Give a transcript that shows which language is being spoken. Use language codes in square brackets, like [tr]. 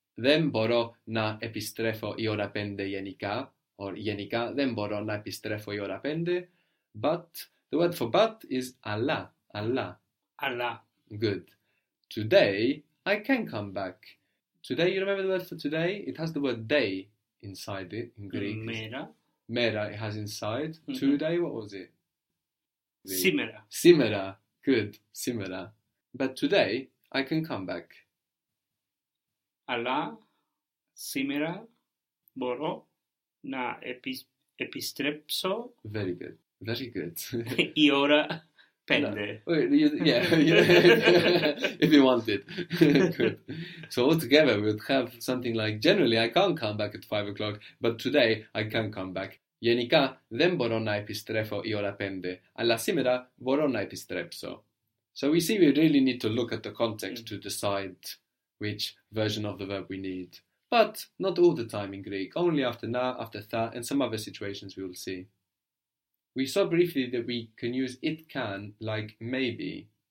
[el] Δεν μπορώ να επιστρέφω η ώρα πέντε γενικά. [en] Or [el] γενικά, δεν μπορώ να επιστρέφω η ώρα πέντε. [en] But, the word for but is αλλά. [el] Αλλά. Αλλά. [en] Good. Today, I can come back. Today, you remember the word for today? It has the word day inside it in Greek. It's [el] Μέρα. [en] Mera, it has inside. Today, what was it? The [el] Σήμερα. Simera. [en] Good. [el] Simera. [en] But today, I can come back. [el] Αλλά σήμερα μπορώ να επιστρέψω [en] Very good. Very good. [el] I ora [en] No. [el] pende. [en] If you want it. Good. So altogether, we'd have something like, generally, I can't come back at 5 o'clock, but today I can come back. [el] Γενικά, δεν μπορώ να επιστρέφω η ώρα πέντε, αλλά σήμερα μπορώ να επιστρέψω. [en] So we see we really need to look at the context to decide which version of the verb we need. But not all the time in Greek, only after na, after tha, and some other situations we will see. We saw briefly that we can use it can like maybe.